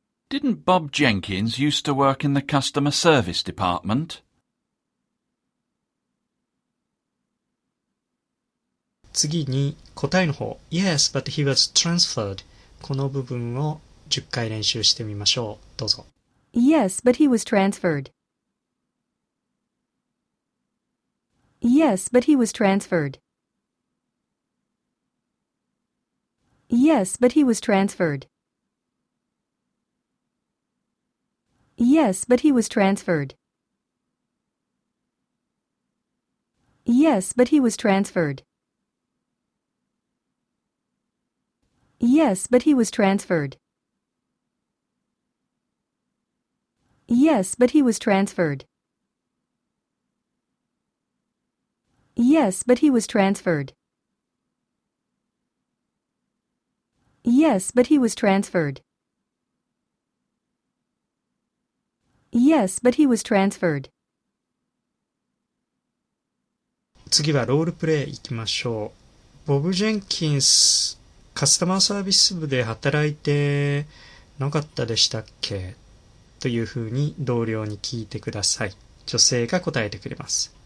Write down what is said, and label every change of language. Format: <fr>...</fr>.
<en>Didn't Bob Jenkins used to work in the customer service department?</en> <ja>次に答えの方。</ja> <en>Yes, but he was transferred.</en> <ja>この部分を10回練習してみましょう。どうぞ。</ja> <en>Yes, but he was transferred. Yes, but he was transferred. Yes, but he was transferred. Yes, but he was transferred. Yes, but he was transferred. Yes, but he was transferred. Yes, but he was transferred. Yes, but he was transferred. Yes, but he was transferred. Yes, but he was transferred.</en> <ja>次はロールプレイ行きましょう。ボブ・ジェンキンス。カスタマーサービス部で働いてなかったでしたっけ? というふうに同僚に聞いてください。女性が答えてくれます。</ja>